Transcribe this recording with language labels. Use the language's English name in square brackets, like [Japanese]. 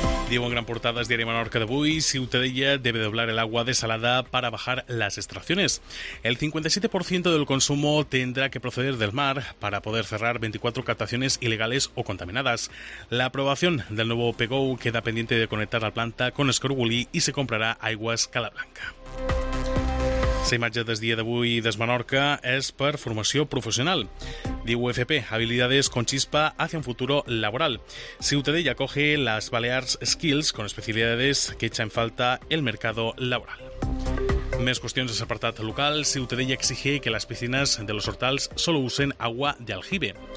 [Catalan] Diuen gran portada del diari Menorca d'avui, [Spanish] Ciutadella debe doblar el agua desalada para bajar las extracciones. El 57% del consumo tendrá que proceder del mar para poder cerrar 24 captaciones ilegales o contaminadas. La aprobación del nuevo PGOU queda pendiente de conectar la planta con Escorbulí y se comprará agua Cala Blanca. [Catalan] La imatge del dia d'avui des Menorca és per formació professional. [Spanish] Diu UFP, habilidades con chispa hacia un futuro laboral. Ciutadella acoge las Balears Skills con especialidades que echa en falta el mercado laboral. [Catalan] Més qüestions de l'apartat local. [Spanish] Ciutadella exige que les piscines de los Hortals solo usen agua de aljibe.